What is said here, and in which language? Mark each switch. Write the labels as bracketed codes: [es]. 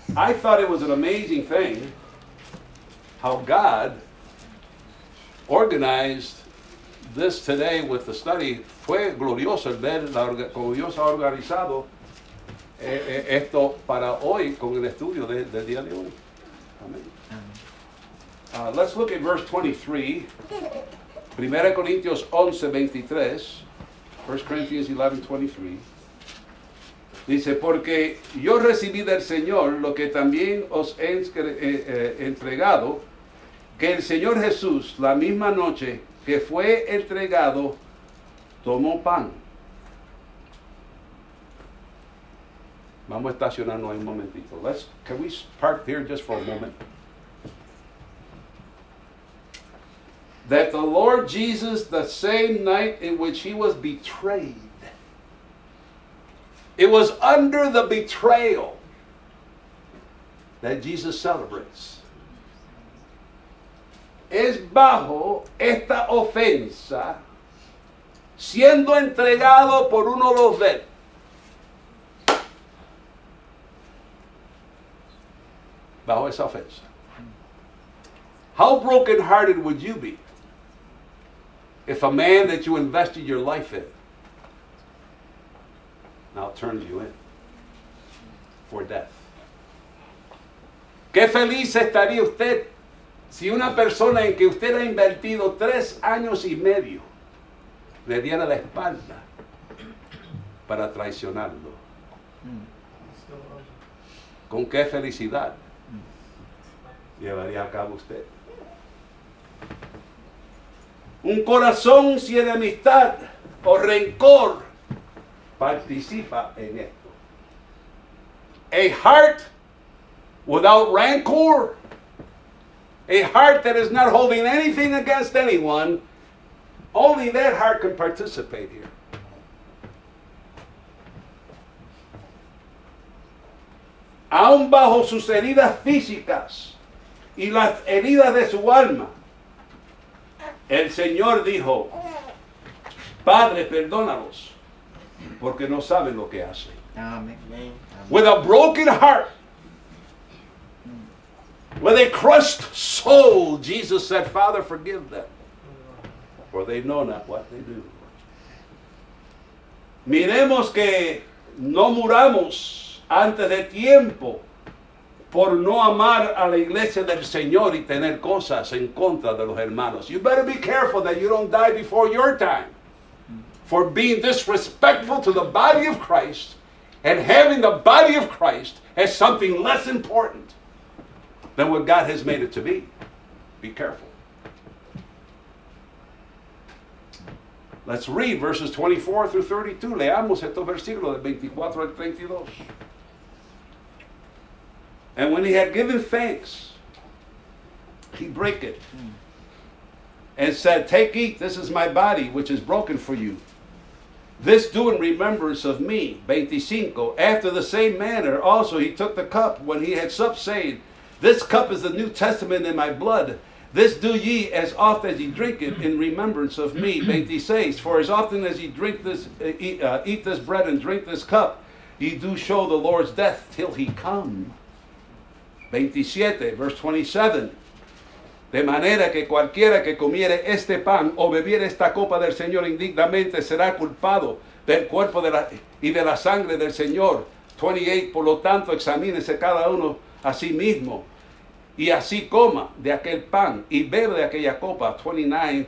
[en] I thought it was an amazing thing how God organized this today with the study. [es] Fue glorioso ver como Dios ha organizado esto para hoy con el estudio del día de hoy. [en] Amén. Let's look at verse 23. 1 Corinthians 11, 23. 1 Corinthians 11, 23. [es] Dice, porque yo recibí del Señor lo que también os he entregado, que el Señor Jesús, la misma noche que fue entregado, tomó pan. Vamos a estacionarnos ahí un momentito. [en] Can we park here just for a moment? That the Lord Jesus, the same night in which he was betrayed, it was under the betrayal that Jesus celebrates. [es] Es bajo esta ofensa, siendo entregado por uno de los de él. Bajo esa ofensa. [en] How brokenhearted would you be if a man that you invested your life in now turns you in for death? [es] ¿Qué feliz estaría usted si una persona en que usted ha invertido 3 años y medio le diera la espalda para traicionarlo? ¿Con qué felicidad llevaría a cabo usted? Un corazón sin amistad o rencor participa en esto. [en] A heart without rancor, a heart that is not holding anything against anyone, only that heart can participate here. [es] Aún bajo sus heridas físicas y las heridas de su alma, el Señor dijo, Padre, perdónalos, porque no saben lo que hacen. [en] With a broken heart, with a crushed soul, Jesus said, Father, forgive them, for they know not what they do. [es] Miremos que no muramos antes de tiempo por no amar a la iglesia del Señor y tener cosas en contra de los hermanos. [en] You better be careful that you don't die before your time for being disrespectful to the body of Christ and having the body of Christ as something less important than what God has made it to be. Be careful. Let's read verses 24 through 32. [es] Leamos estos versículos de 24 al 32. [en] And when he had given thanks, he broke it and said, take, eat, this is my body which is broken for you. This do in remembrance of me. 25. After the same manner also he took the cup when he had supped, saying, this cup is the New Testament in my blood. This do ye as oft as ye drink it in remembrance of me. 26. For as often as ye drink this, eat this bread and drink this cup, ye do show the Lord's death till he come. 27. Verse 27. [es] De manera que cualquiera que comiere este pan o bebiere esta copa del Señor indignamente será culpado del cuerpo y de la sangre del Señor. 28. Por lo tanto, examínese cada uno a sí mismo y así coma de aquel pan y bebe de aquella copa. 29.